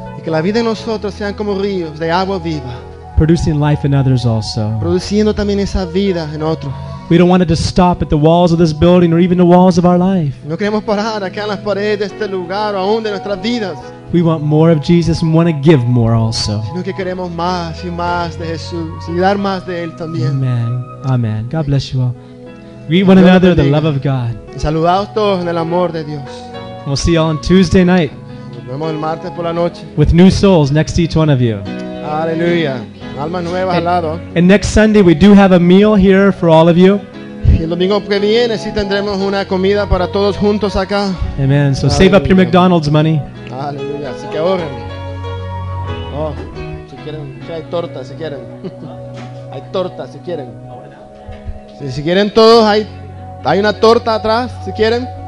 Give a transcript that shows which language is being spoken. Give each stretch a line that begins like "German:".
Spanish: Y que la vida en nosotros sean como ríos de agua viva.
English: Producing life in others also.
Spanish: Produciendo también esa vida en otros.
English: We don't want it to stop at the walls of this building or even the walls of our life.
Spanish: No queremos parar acá en las paredes de este lugar o aún de nuestras vidas.
English: We want more of Jesus and want to give more also.
Spanish: Sino que queremos más y más de Jesús y dar más de Él también.
English: Amen. Amen. God bless you all. Greet one another in the love of God.
Spanish: Saludaos todos en el amor de Dios.
English: We'll see you all on Tuesday night.
Spanish: Nos vemos el martes por la noche.
English: With new souls next to each one of you.
Spanish: Aleluya. Almas nuevas al lado.
English: And next Sunday we do have a meal here for all of you.
Spanish: Y el domingo que viene sí tendremos una comida para todos juntos acá.
English: Amen. So Aleluya. Save up your McDonald's money.
Spanish: Aleluya. Así que ahorren. Oh, si quieren, si hay torta, si quieren. Hay torta, si quieren. Si quieren todos, hay una torta atrás, si quieren.